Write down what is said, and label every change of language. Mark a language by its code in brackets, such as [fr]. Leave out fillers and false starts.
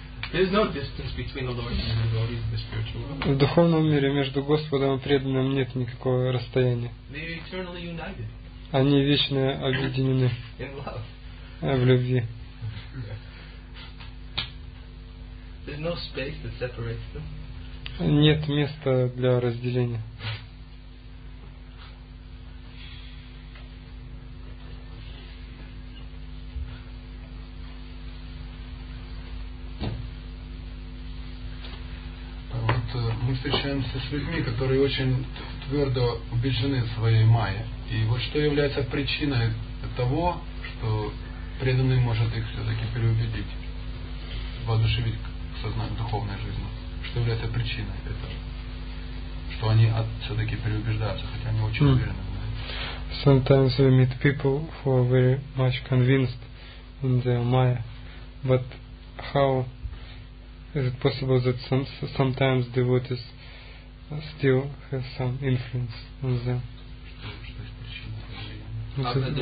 [en] There's no distance between the Lord and the devotees in the spiritual world. [ru] В духовном мире между Господом и преданным нет никакого расстояния. [en] They are eternally united. [ru] Они вечно объединены. [en] In love. [ru] В любви. [en] There's no space that separates them. [ru] Нет места для разделения. Вот мы встречаемся с людьми, которые очень твердо убеждены в своей майе. И вот что является причиной того, что преданный может их все-таки переубедить, воодушевить к духовной жизни, что является причиной этого, что они все-таки переубеждаются, хотя они очень уверены. [en] Sometimes we meet people who are very much convinced in their Maya, but how is it possible that sometimes devotees still have some influence on them?